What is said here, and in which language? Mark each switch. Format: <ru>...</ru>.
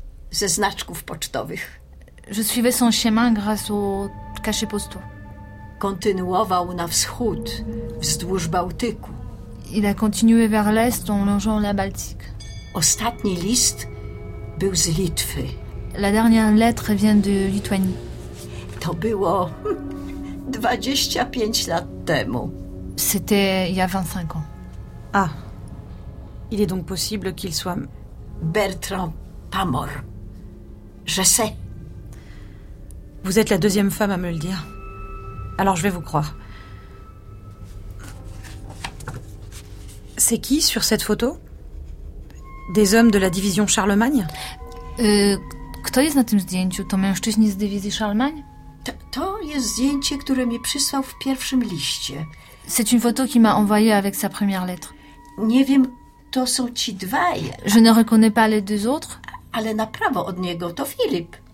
<pl>Ze znaczków pocztowych.</pl> <fr>Je suivais son chemin grâce au cachet postal.</fr> <pl>Kontynuował na wschód, wzdłuż Bałtyku.</pl> <fr>Il a continué vers l'est en longeant la Baltique.</fr> <pl>Ostatni list był z Litwy.</pl> <fr>La dernière lettre vient de Lituanie.</fr> <pl>To było 25 lat temu.</pl> <fr>C'était il y a 25 ans. Ah, il est donc possible qu'il soit... Bertrand, pas mort. Je sais. Vous êtes la deuxième femme à me le dire. Alors je vais vous croire. C'est qui sur cette photo? Des hommes de la division Charlemagne?</fr> <pl>Kto jest na tym zdjęciu? To mężczyźni z dywizji Charlemagne? To jest zdjęcie, które mi przysłał w pierwszym liście.</pl> <fr>C'est une photo qu'il m'a envoyée avec sa première lettre.</fr> <pl>Nie wiem, to są ci dwaj.</pl> <fr>Je ne reconnais pas les deux autres.</fr> <pl>Ale na prawo od niego to Filip.</pl>